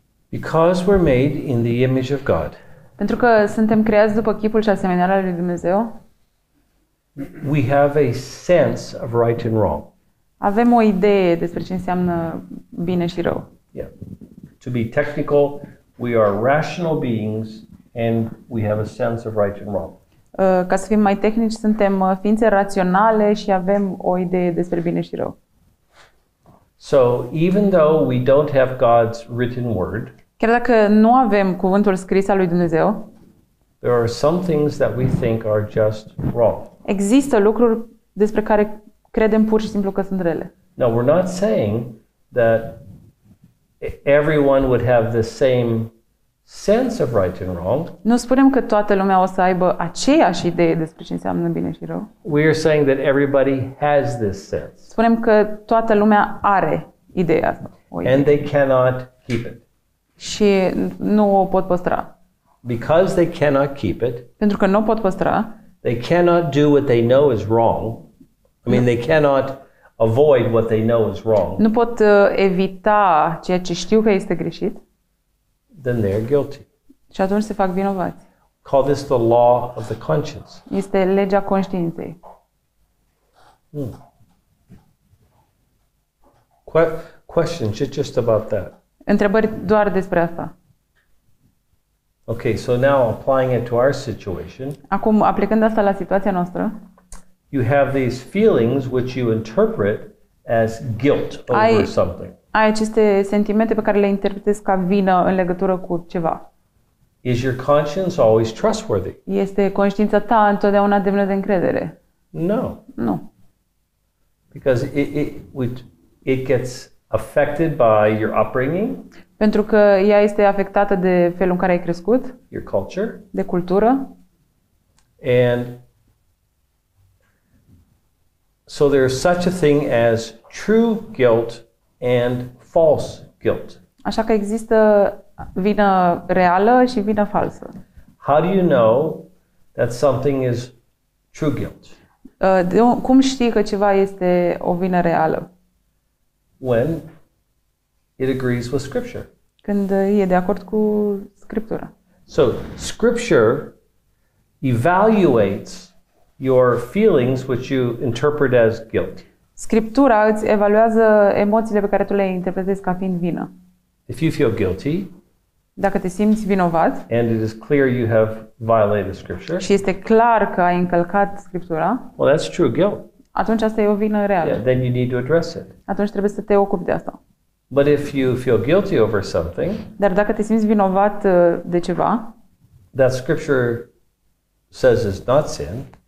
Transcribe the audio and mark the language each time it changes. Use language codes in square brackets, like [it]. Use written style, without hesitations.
[en] Because we're made in the image of God. [ro] Pentru că suntem creați după chipul și asemănarea lui Dumnezeu. [en] We have a sense of right and wrong. [ro] Avem o idee despre ce înseamnă bine și rău. [en] Yeah. To be technical, we are rational beings and we have a sense of right and wrong. [ro] Ca să fim mai tehnici, suntem ființe raționale și avem o idee despre bine și rău. [en] So even though we don't have God's written word, [ro] chiar dacă nu avem cuvântul scris al lui Dumnezeu, [en] there are some things that we think are just wrong. [ro] Există lucruri despre care credem pur și simplu că sunt rele. [en] Now we're not saying that everyone would have the same sense of right and wrong. [ro] Nu spunem că toată lumea o să aibă aceeași idee despre ce înseamnă bine și rău. [en] We are saying that everybody has this sense. [ro] Spunem că toată lumea are ideea asta. [en] And they cannot keep it. [ro] Și nu o pot păstra. [en] Because they cannot keep it. [ro] Pentru că nu o pot păstra. [en] They cannot do what they know is wrong. I mean, they cannot avoid what they know is wrong. [ro] Nu pot evita ceea ce știu că este greșit. [en] Then they are guilty. [ro] Și atunci se fac vinovați. [en] Call this the law of the conscience. [ro] Este legea conștiinței. [en] Question just about that. [ro] Întrebări doar despre asta. [en] Okay, so now applying it to our situation. [ro] Acum aplicând asta la situația noastră. [en] You have these feelings which you interpret as guilt over something. [ro] Ai aceste sentimente pe care le interpretezi ca vină în legătură cu ceva. [en] Is your conscience always trustworthy? [ro] Este conștiința ta întotdeauna demnă de încredere? [en] No. [ro] Nu. [en] Because it gets affected by your upbringing? [ro] Pentru că ea este afectată de felul în care ai crescut? [en] Your culture? [ro] De cultură? [en] And so there is such a thing as true guilt and false guilt. [ro] Așa că există vină reală și vină falsă. [en] How do you know that something is true guilt? [ro] Cum știi că ceva este o vină reală? [en] When it agrees with scripture. [ro] Când e de acord cu scriptura. [en] So scripture evaluates your feelings which you interpret as guilt. [ro] Scriptura îți evaluează emoțiile pe care tu le interpretezi ca fiind vină. [en] If you feel guilty, [ro] dacă te simți vinovat, [en] and it is clear you have violated scripture, [ro] și este clar că ai încălcat scriptura, [en] well, that's true guilt. [ro] Atunci asta e o vină reală. [en] Yeah, then you need to address it. [ro] Atunci trebuie să te ocupi de asta. [en] But if you feel guilty over something, [ro] dar dacă te simți vinovat de ceva, [en] that scripture says is not sin,